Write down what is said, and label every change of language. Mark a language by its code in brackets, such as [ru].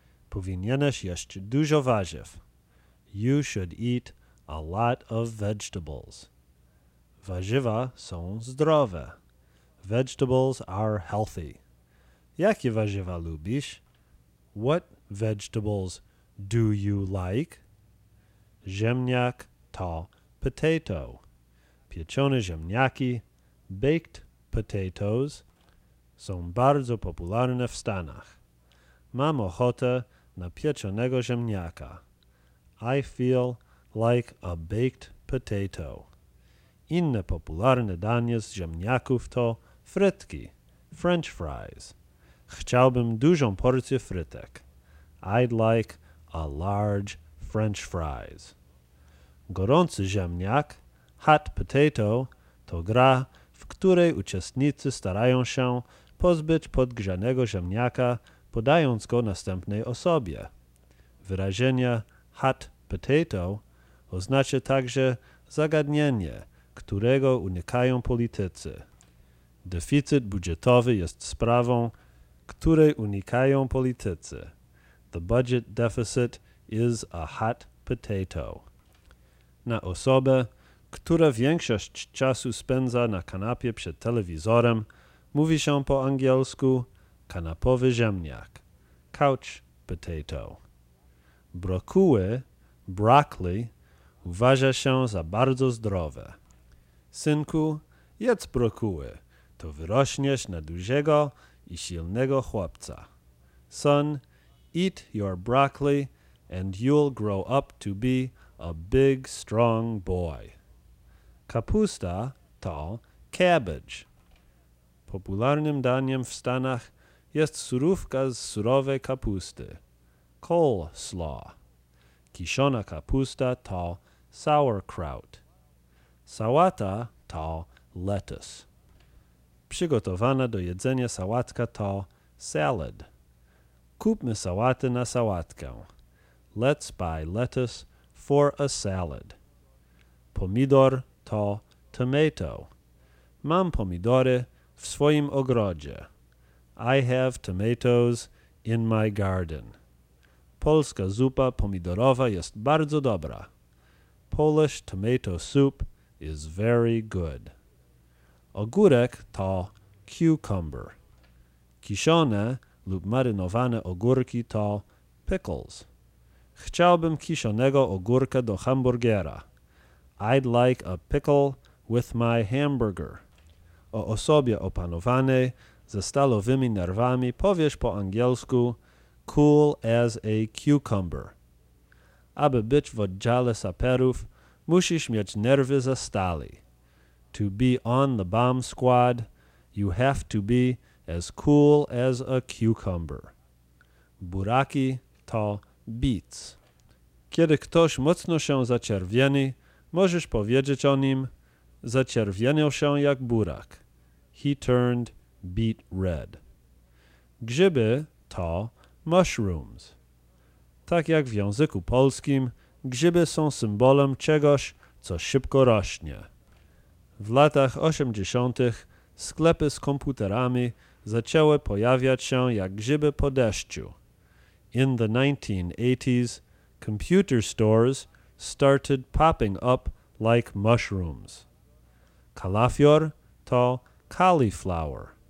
[pl] Powinieneś jeść dużo warzyw. [en] You should eat a lot of vegetables. [pl] Warzywa są zdrowe. [en] Vegetables are healthy. [pl] Jakie warzywa lubisz? [en] What vegetables do you like? [pl] Ziemniak to potato. Pieczone ziemniaki, baked potatoes, są bardzo popularne w Stanach. Mam ochotę na pieczonego ziemniaka. [en] I feel like a baked potato. [pl] Inne popularne danie z ziemniaków to frytki, French fries. Chciałbym dużą porcję frytek. [en] I'd like a large French fries. [pl] Gorący ziemniak, hot potato, to gra, w której uczestnicy starają się pozbyć podgrzanego ziemniaka, podając go następnej osobie. Wyrażenie hot potato oznacza także zagadnienie, którego unikają politycy. Deficyt budżetowy jest sprawą, której unikają politycy. [en] The budget deficit is a hot potato. [pl] Na osobę, która większość czasu spędza na kanapie przed telewizorem, mówi się po angielsku kanapowy ziemniak, couch potato. Brokuły, broccoli, uważa się za bardzo zdrowe. Synku, jedz brokuły, to wyrośniesz na dużego i silnego chłopca. [en] Son, eat your broccoli and you'll grow up to be a big, strong boy. [pl] Kapusta to cabbage. Popularnym daniem w Stanach jest surówka z surowej kapusty, coleslaw. Kiszona kapusta to sauerkraut. Sałata to lettuce. Przygotowana do jedzenia sałatka to salad. Kupmy sałatę na sałatkę. [en] Let's buy lettuce for a salad. [pl] Pomidor to tomato. Mam pomidory w swoim ogrodzie. [en] I have tomatoes in my garden. [pl] Polska zupa pomidorowa jest bardzo dobra. [en] Polish tomato soup is very good. [pl] Ogórek to cucumber. Kiszone lub marynowane ogórki to pickles. Chciałbym kiszonego ogórka do hamburgera. [en] I'd like a pickle with my hamburger. [pl] O osobie opanowanej ze stalowymi nerwami powiesz po angielsku [en] cool as a cucumber. [pl] Aby być w oddziale saperów, musisz mieć nerwy ze stali. [en] To be on the bomb squad, you have to be as cool as a cucumber. [pl] Buraki to beets. Kiedy ktoś mocno się zaczerwieni, możesz powiedzieć o nim, zaczerwienił się jak burak. [en] He turned beet red. [pl] Grzyby to [en] mushrooms. [pl] Tak jak w języku polskim, grzyby są symbolem czegoś, co szybko rośnie. W latach 80. sklepy z komputerami zaczęły pojawiać się jak grzyby po deszczu. [en] In the 1980s, computer stores started popping up like mushrooms. [pl] Kalafior to cauliflower.